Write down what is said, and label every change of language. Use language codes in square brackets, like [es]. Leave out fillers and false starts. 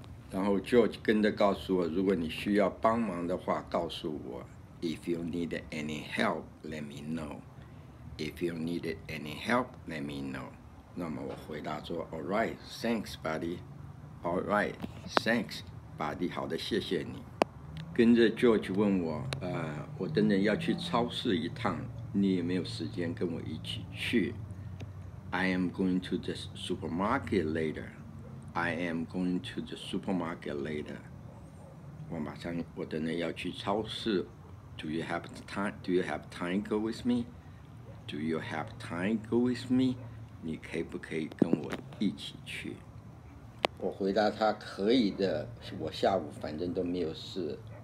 [zh] 然后 George 跟着告诉我，如果你需要帮忙的话告诉我， [en] If you need any help let me know， If you need any help let me know。 [zh] 那么我回答说 [en] Alright thanks buddy， Alright thanks buddy， [zh] 好的谢谢你。跟着 George 问我我等等要去超市一趟，你有没有时间跟我一起去？ [en] I am going to the supermarket laterI am going to the supermarket later. [zh] 我等等要去超市。 [en] Do you have time to go with me? Do you have time to go with me? [zh] 你可以不可以跟我一起去？我回答他可以的，我下午反正都没有事。